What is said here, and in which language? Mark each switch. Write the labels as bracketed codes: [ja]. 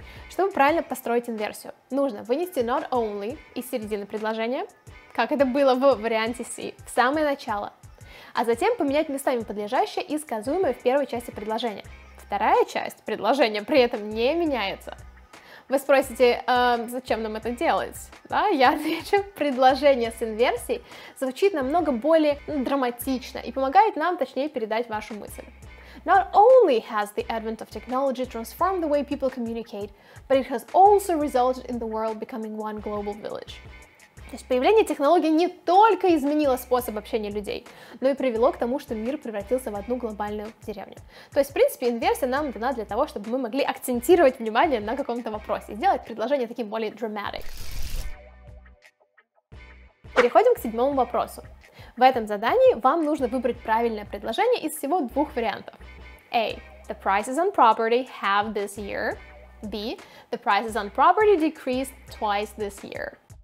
[ru] Чтобы правильно построить инверсию, нужно вынести not only из середины предложения, как это было в варианте C, в самое начало, а затем поменять местами подлежащее и сказуемое в первой части предложения. Вторая часть предложения при этом не меняется. Вы спросите, зачем нам это делать? Да, я отвечу, предложение с инверсией звучит намного более драматично и помогает нам точнее передать вашу мысль. [en] Not only has the advent of technology transformed the way people communicate, but it has also resulted in the world becoming one global village. [ru] То есть появление технологий не только изменило способ общения людей, но и привело к тому, что мир превратился в одну глобальную деревню. То есть, в принципе, инверсия нам дана для того, чтобы мы могли акцентировать внимание на каком-то вопросе, сделать предложение таким более dramatic. Переходим к седьмому вопросу. В этом задании вам нужно выбрать правильное предложение из всего двух вариантов. [en] A. The prices on property have this year. B. The prices on property decreased twice this year.